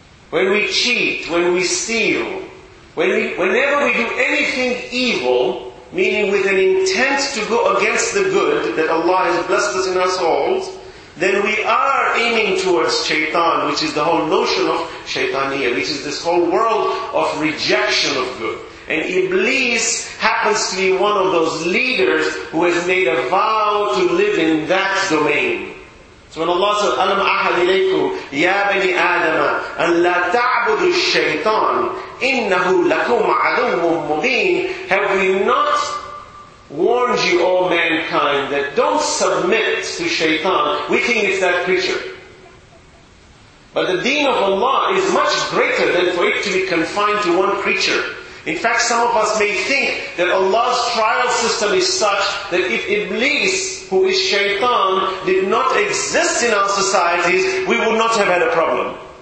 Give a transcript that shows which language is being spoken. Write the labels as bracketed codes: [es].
[en] When we cheat, when we steal, whenever we do anything evil, meaning with an intent to go against the good that Allah has blessed us in our souls, then we are aiming towards shaitan, which is the whole notion of shaitaniyya, which is this whole world of rejection of good. And Iblis happens to be one of those leaders who has made a vow to live in that domain. So when Allah says, [ar] أَلَمْ أَحَدْ إِلَيْكُمْ يَا بَنِي آدَمَ أَنْ لَا تَعْبُدُ الشَّيْطَانِ إِنَّهُ لَكُمْ عَدُوٌّ مُّبِينٌ. [en] Have we not warned you, all mankind, that don't submit to shaitan? We think it's that creature. But the deen of Allah is much greater than for it to be confined to one creature. In fact, some of us may think that Allah's trial system is such that if Iblis, who is shaitan, did not exist in our societies, we would not have had a problem.